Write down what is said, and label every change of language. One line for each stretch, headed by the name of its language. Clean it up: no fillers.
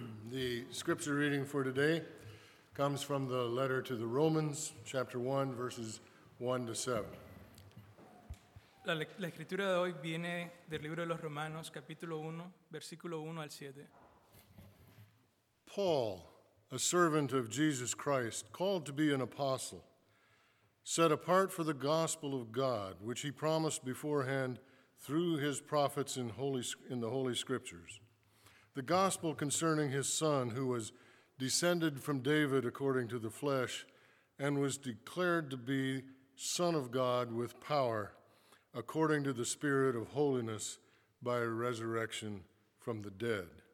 English: The scripture reading for today comes from the letter to the Romans, chapter 1, verses 1 to 7.
Spanish: La escritura de hoy viene del libro de los Romanos, capítulo 1, versículo 1 al 7.
English: Paul, a servant of Jesus Christ, called to be an apostle, set apart for the gospel of God, which he promised beforehand through his prophets in the Holy Scriptures. The gospel concerning his son, who was descended from David according to the flesh, and was declared to be Son of God with power, according to the Spirit of holiness by resurrection from the dead.